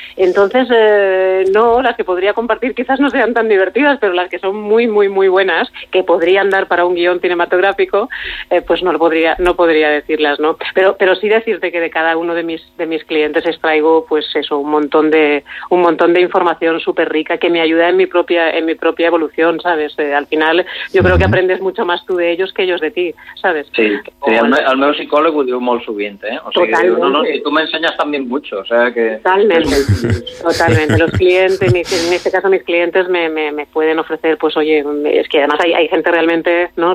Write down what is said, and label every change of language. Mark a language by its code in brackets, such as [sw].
[es] Entonces, no, las que podría compartir quizás no sean tan divertidas, pero las que son muy, muy, muy buenas, que podrían dar para un guión cinematográfico, pues no podría decirlas, ¿no? Pero sí decirte que de cada uno de mis clientes extraigo, pues eso, un montón de información súper rica que me ayuda en mi en mi propia evolución, ¿sabes? Al final yo creo que aprendes mucho más tú de ellos que ellos de ti, ¿sabes? [ca] Sí, el meu psicòleg ho diu molt sovint, ¿eh? O sigui, no, i tu m'ensenyes també [es] mucho, o sea que... Totalmente. Los clientes, en este caso mis clientes me pueden ofrecer, pues oye, es que además hay gente realmente, ¿no?